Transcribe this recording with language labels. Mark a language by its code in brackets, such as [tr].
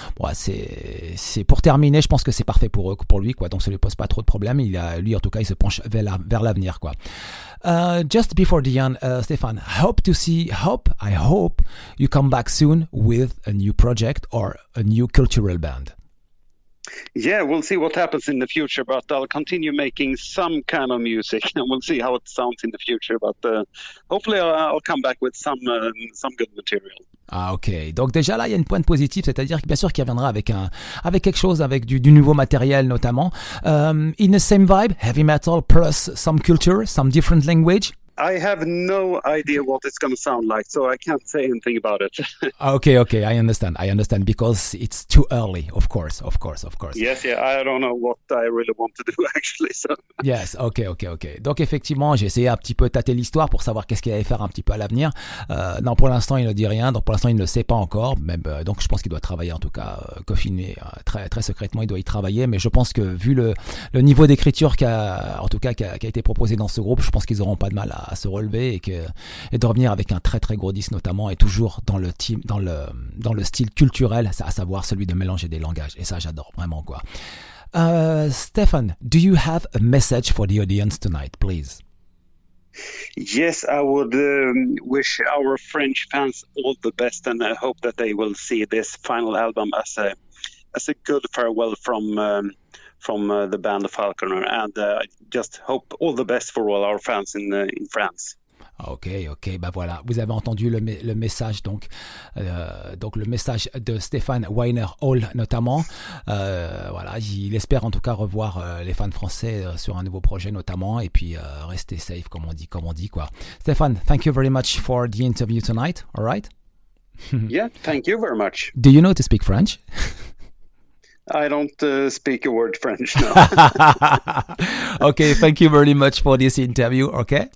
[fr] Bon, c'est pour terminer, je pense que c'est parfait pour eux, pour lui, quoi, donc ça ne lui pose pas trop de problèmes. Lui, en tout cas, il se penche vers l'avenir, quoi. [en] Just before the end, Stefan, I hope you come back soon with a new project or a new cultural band. Yeah, we'll see what happens in the future, but I'll continue making some kind of music and we'll see how it sounds in the future, but hopefully I'll come back with some good material. [fr] Ah ok, donc déjà là il y a une pointe positive, c'est-à-dire bien sûr qu'il reviendra avec quelque chose, avec du nouveau matériel notamment. [en] In the same vibe, heavy metal plus some culture, some different language. I have no idea what it's going to sound like, so I can't say anything about it. Okay, I understand. I understand, because it's too early, of course, of course, of course. Yes, yeah, I don't know what I really want to do, actually. So. Yes, okay. [fr] Donc, effectivement, j'ai essayé un petit peu de tâter l'histoire pour savoir qu'est-ce qu'il allait faire un petit peu à l'avenir. Non, pour l'instant, il ne dit rien, donc pour l'instant, il ne le sait pas encore. Mais, donc, je pense qu'il doit travailler, en tout cas, confiner très, très secrètement, il doit y travailler. Mais je pense que, vu le niveau d'écriture qui a été proposé dans ce groupe, je pense qu'ils n'auront pas de mal à se relever et de revenir avec un très très gros disque, notamment, et toujours dans le style culturel, à savoir celui de mélanger des langages, et ça j'adore vraiment, quoi. [en] Stefan, do you have a message for the audience tonight, please? Yes, I would wish our French fans all the best, and I hope that they will see this final album as a good farewell from the band Falconer, and I just hope all the best for all our fans in France. [fr] Ok, bah voilà, vous avez entendu le message, donc le message de Stéphane Weiner Hall notamment. Voilà, il espère en tout cas revoir les fans français sur un nouveau projet notamment, et puis rester safe, comme on dit quoi. [en] Stéphane, thank you very much for the interview tonight. All right. Yeah, thank you very much. Do you know to speak French? I don't speak a word French, no. Okay, thank you very much for this interview, okay?